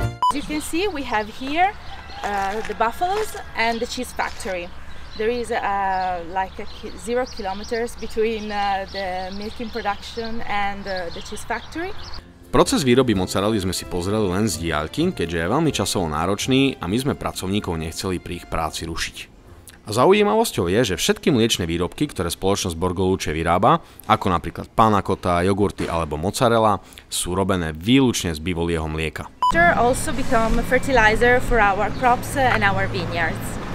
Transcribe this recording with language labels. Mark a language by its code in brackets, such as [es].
[en] As you can see, we have here the buffaloes and the cheese factory. There is like 0 kilometers between the milking production and the cheese factory. [sk] Proces výroby mozzarelli sme si pozreli len z diaľky, keďže je veľmi časovo náročný a my sme pracovníkov nechceli pri ich práci rušiť. A zaujímavosťou je, že všetky mliečne výrobky, ktoré spoločnosť Borgoluce vyrába, ako napríklad panna cotta, jogurty alebo mozzarella, sú robené výlučne z bivolieho mlieka. [en] Also become a fertilizer for our crops and our vineyards.